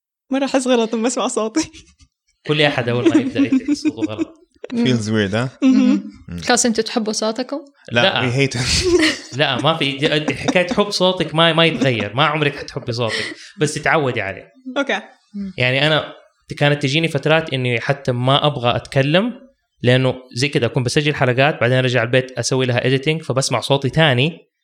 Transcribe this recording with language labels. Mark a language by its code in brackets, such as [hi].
[ar] ما راح اصغر لما اسمع صوتي. كل احد اول ما يبدا يحس صوته غلط. [en] Feels weird [ar] ها؟ خاص انتوا تحبوا صوتكم؟ لا [en] we hate it. [ar] لا ما في حكاية حب صوتك ما يتغير، ما عمرك حتحبي صوتك بس تتعودي عليه. اوكي. يعني انا كانت تجيني فترات اني حتى ما ابغى اتكلم لانه زي كذا اكون بسجل حلقات بعدين ارجع البيت اسوي لها editing فبسمع صوتي ثاني.